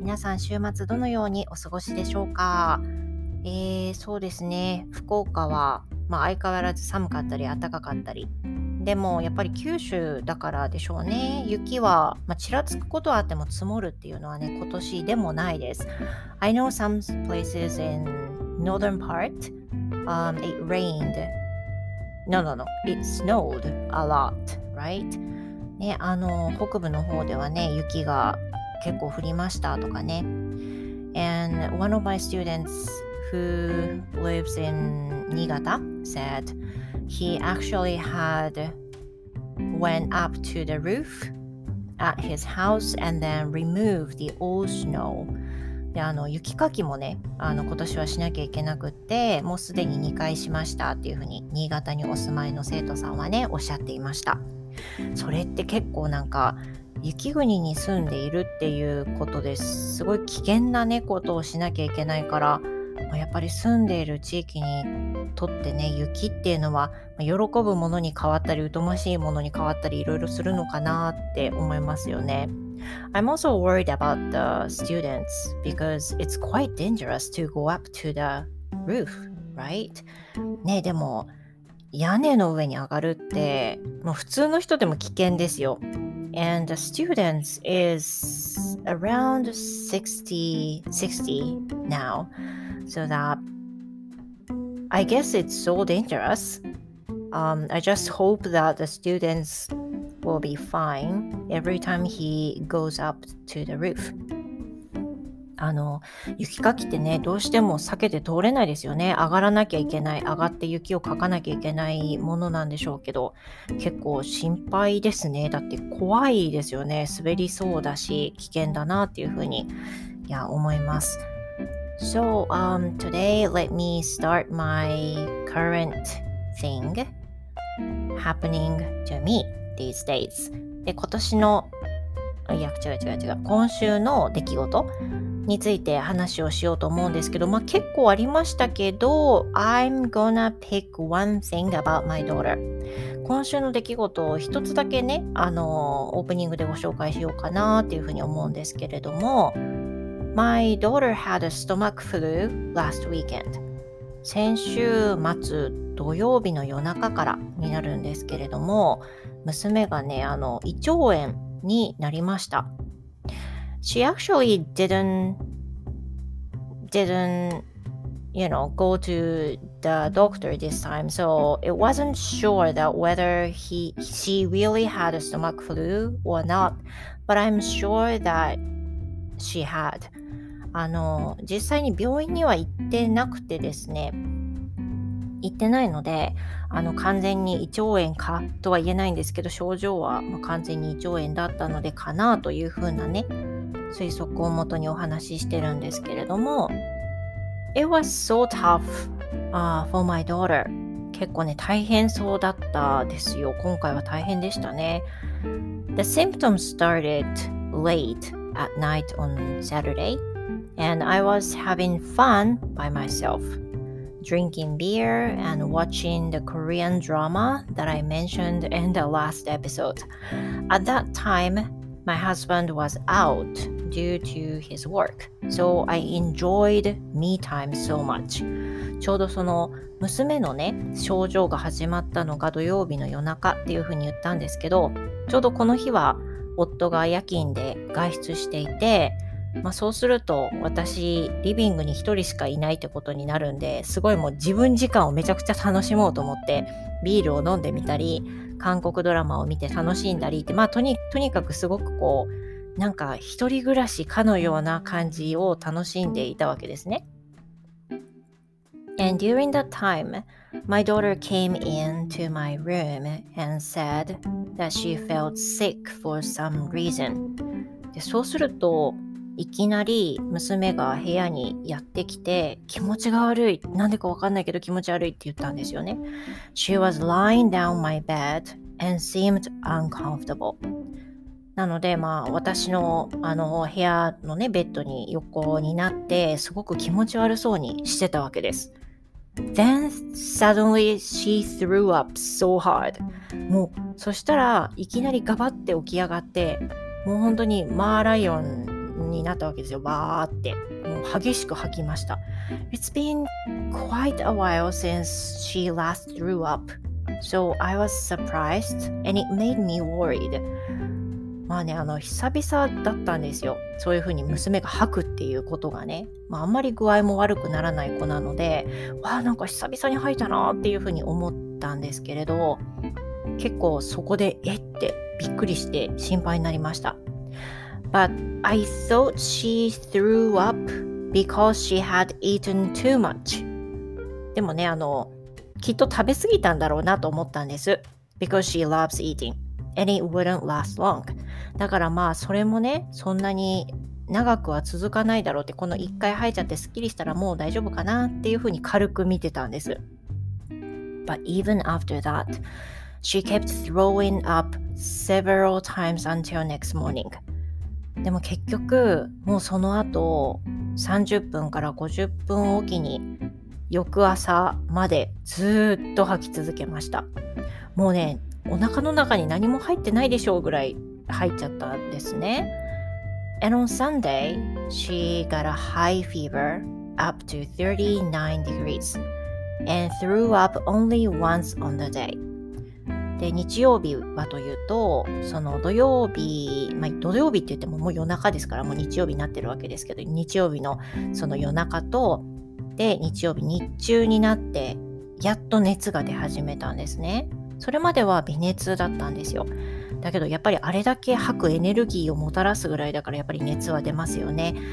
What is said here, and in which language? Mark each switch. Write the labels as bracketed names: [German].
[Japanese] 皆さん週末どのようにお過ごしでしょうか。そうですね。福岡は、まあ、相変わらず寒かったり暖かかったり。でもやっぱり九州だからでしょうね。雪は、まあ、ちらつくことはあっても積もるっていうのはね、今年でもないです。 [English] I know some places in northern part, it rained. No. It snowed a lot, right? [Japanese] ね、あの、北部の方ではね、雪が結構降りましたとかね。 [English] And one of my students who lives in Niigata said he actually had went up to the roof at his house and then removed the old snow. [Japanese] で、あの、雪かきもね、あの、今年はしなきゃいけなくって、もうすでに2回しましたっていうふうに、新潟にお住まいの生徒さんはね、おっしゃっていました。それって結構なんか、雪国に住んでいるっていうことですごい危険なね、ことをしなきゃいけないから、やっぱり住んでいる地域にとってね、雪っていうのは、喜ぶものに変わったり、疎ましいものに変わったり、いろいろするのかなって思いますよね。 [English] I'm also worried about the students because it's quite dangerous to go up to the roof, right? [Japanese] ね、でも屋根の上に上がるって、もう普通の人でも危険ですよ。 [English] And the students is around 60 now, so that I guess it's so dangerous. I just hope that the students will be fine. Every time he goes up to the roof. [Japanese] あの、雪かきってね、どうしても避けて通れないですよね。上がらなきゃいけない、上がって雪をかかなきゃいけないものなんでしょうけど、結構心配ですね。だって怖いですよね。滑りそうだし、危険だなっていうふうに、いや、思います。 [English] So, today, let me start my current thing happening to me these days. [Japanese] で、今年の、いや、違う、今週の出来事について話をしようと思うんですけど、まあ結構ありましたけど、 [English] I'm gonna pick one thing about my daughter. [Japanese] 今週の出来事を一つだけね、オープニングでご紹介しようかなっていうふうに思うんですけれども、 [English] My daughter had a stomach flu last weekend. [Japanese] 先週末土曜日の夜中からになるんですけれども、娘がね、あの、胃腸炎になりました。 [English] She actually didn't, you know, go to the doctor this time, so it wasn't sure that whether she really had a stomach flu or not, but I'm sure that she had. [Japanese] あの、実際に病院には行ってなくてですね、言ってないので、あの、完全に胃腸炎かとは言えないんですけど、症状は完全に胃腸炎だったのでかなというふうなね、推測をもとにお話ししてるんですけれども、 [English] It was so tough, for my daughter. [Japanese] 結構ね、大変そうだったですよ。今回は大変でしたね。 [English] The symptoms started late at night on Saturday, and I was having fun by myselfDrinking beer and watching the Korean drama that I mentioned in the last episode. At that time, my husband was out due to his work, so I enjoyed me time so much. [Japanese] ちょうどその娘のね、症状が始まったのが土曜日の夜中っていうふうに言ったんですけど、ちょうどこの日は夫が夜勤で外出していて、まあ、そうすると私リビングに一人しかいないってことになるんで、すごいもう自分時間をめちゃくちゃ楽しもうと思ってビールを飲んでみたり、韓国ドラマを見て楽しんだりって、まあとにかくすごくこう、なんか一人暮らしかのような感じを楽しんでいたわけですね。 [English] And during that time, my daughter came into my room and said that she felt sick for some reason. [Japanese] で、そうするといきなり娘が部屋にやってきて、気持ちが悪い、なんでかわかんないけど気持ち悪いって言ったんですよね。 [English] She was lying down my bed and seemed uncomfortable. [Japanese] なので、まあ、私の、あの、部屋のね、ベッドに横になって、すごく気持ち悪そうにしてたわけです。 [English] Then suddenly she threw up so hard. [Japanese] もうそしたらいきなりガバって起き上がって、もう本当にマーライオンになったわけですよ。バーってもう激しく吐きました。 [English] It's been quite a while since she last threw up, so I was surprised and it made me worried. [Japanese] まあね、久々だったんですよ。そういう風に娘が吐くっていうことがね、まあ、あんまり具合も悪くならない子なので、わあ、なんか久々に吐いたなっていう風に思ったんですけれど、結構そこでえってびっくりして心配になりました。 [English] But I thought she threw up because she had eaten too much. [Japanese] でもね、きっと食べ過ぎたんだろうなと思ったんです。 [English] Because she loves eating. And it wouldn't last long. [Japanese] だからまあそれもね、そんなに長くは続かないだろうって、この一回吐いちゃってすっきりしたらもう大丈夫かなっていうふうに軽く見てたんです。 [English] But even after that, she kept throwing up several times until next morning. [Japanese] でも結局もうその後30分から50分おきに翌朝までずっと吐き続けました。もうね、お腹の中に何も入ってないでしょうぐらい入っちゃったんですね。 [English] And on Sunday, she got a high fever up to 39 degrees and threw up only once on the day. [Japanese] で、日曜日はというと、その土曜日、まあ土曜日って言ってももう夜中ですから、もう日曜日になってるわけですけど、日曜日のその夜中と、で、日曜日日中になって、やっと熱が出始めたんですね。それまでは微熱だったんですよ。だけどやっぱりあれだけ吐くエネルギーをもたらすぐらいだから、やっぱり熱は出ますよね。